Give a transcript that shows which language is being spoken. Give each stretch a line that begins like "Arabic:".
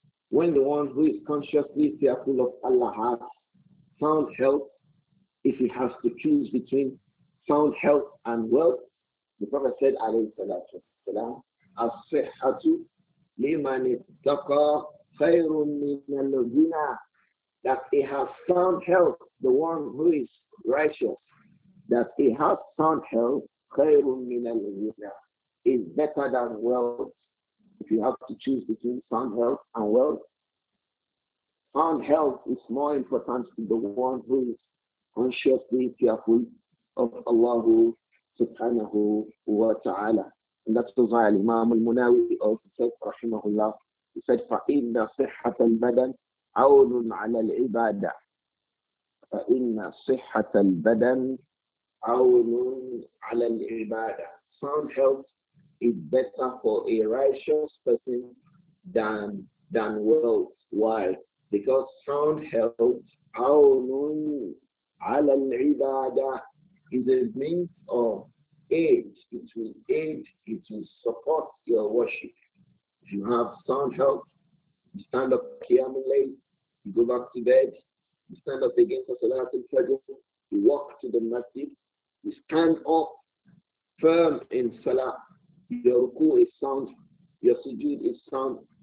English: When the one who is consciously fearful of Allah has sound health, if he has to choose between sound health and wealth, the Prophet said, alayhi salatu wasalam,
Arabic: as-sihhatu liman ittaqa khayrun min al-ghina,
English: that he has sound health, the one who is righteous, that he has sound health, khayrun min al-ghina, is better than wealth. If you have to choose between sound health and wealth, sound health is more important than the one who is consciously fearful of Allah subhanahu wa ta'ala. And that's the why Imam al-Munawi also said, rahimahullah, he said,
Arabic: فَإِنَّ صِحَّةَ الْبَدَنِ عَوْنٌ عَلَى الْعِبَادَةِ فَإِنَّ صِحَّةَ الْبَدَنِ عَوْنٌ عَلَى الْعِبَادَةِ.
English: Sound health is better for a righteous person than wealth. Why? Because sound health,
Arabic: عَوْنٌ عَلَى الْعِبَادَةِ,
English: is a means of aid. It will aid, it will support your worship. If you have sound health, you stand up qiyam al-layl, you go back to bed, you stand up again for salat al-fajr, you walk to the masjid, you stand up firm in salah, your ruku is sound, your sujood is sound.